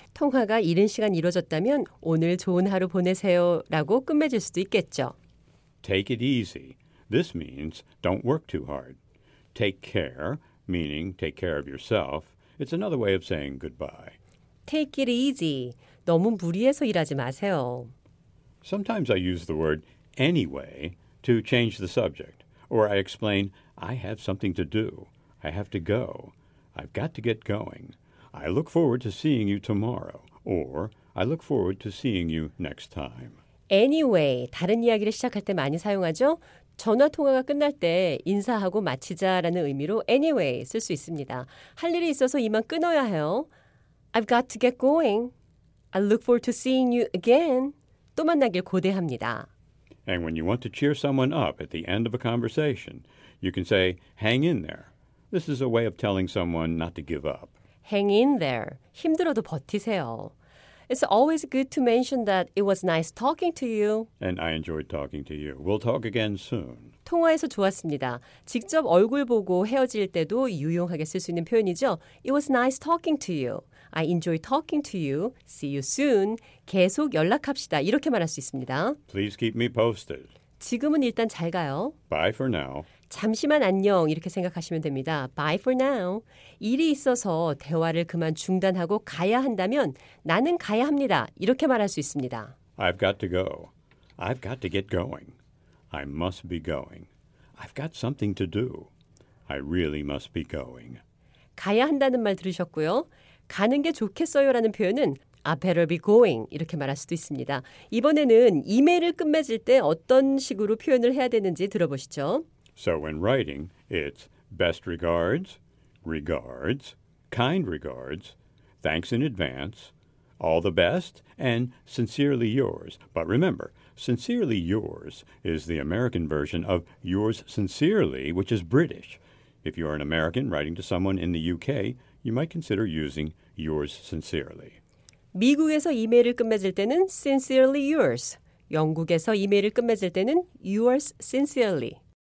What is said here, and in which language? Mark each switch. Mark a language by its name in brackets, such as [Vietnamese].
[Korean] 통화가 이른 시간 이루어졌다면 오늘 좋은 하루 보내세요 라고 끝맺을 수도 있겠죠. [English] Take it easy. This means don't work too hard. Take care, meaning take care of yourself. It's another way of saying goodbye. Take it easy. [Korean] 너무 무리해서 일하지 마세요. [English] Sometimes I use the word anyway to change the subject. Or I explain, I have something to do. I have to go. I've got to get going. I look forward to seeing you tomorrow. Or I look forward to seeing you next time. [Korean] Anyway, 다른 이야기를 시작할 때 많이 사용하죠? 전화 통화가 끝날 때 인사하고 마치자라는 의미로 anyway 쓸 수 있습니다. 할 일이 있어서 이만 끊어야 해요. [English] I've got to get going. I look forward to seeing you again. [Korean] 또 만나길 고대합니다. [English] And when you want to cheer someone up at the end of a conversation, you can say, hang in there. This is a way of telling someone not to give up. Hang in there. [Korean] 힘들어도 버티세요. [English] It's always good to mention that it was nice talking to you. And I enjoyed talking to you. We'll talk again soon. [Korean] 통화해서 좋았습니다. 직접 얼굴 보고 헤어질 때도 유용하게 쓸 수 있는 표현이죠. [English] It was nice talking to you. I enjoy talking to you. See you soon. [Korean] 계속 연락합시다. 이렇게 말할 수 있습니다. [English] Please keep me posted. [Korean] 지금은 일단 잘 가요. [English] Bye for now. [Korean] 잠시만 안녕 이렇게 생각하시면 됩니다. [English] Bye for now. [Korean] 일이 있어서 대화를 그만 중단하고 가야 한다면 나는 가야 합니다. 이렇게 말할 수 있습니다. [English] I've got to go. I've got to get going. I must be going. I've got something to do. I really must be going. [Korean] 가야 한다는 말 들으셨고요. 가는 게 좋겠어요라는 표현은 [English] I better be going [Korean] 이렇게 말할 수도 있습니다. 이번에는 이메일을 끝맺을 때 어떤 식으로 표현을 해야 되는지 들어보시죠. [English] So when writing, it's best regards, regards, kind regards, thanks in advance, all the best, and sincerely yours. But remember, sincerely yours is the American version of yours sincerely, which is British. If you are an American writing to someone in the UK, you might consider using yours sincerely. [Korean] 미국에서 이메일을 끝맺을 때는 [English] sincerely yours. [Korean] 영국에서 이메일을 끝맺을 때는 [English] yours sincerely.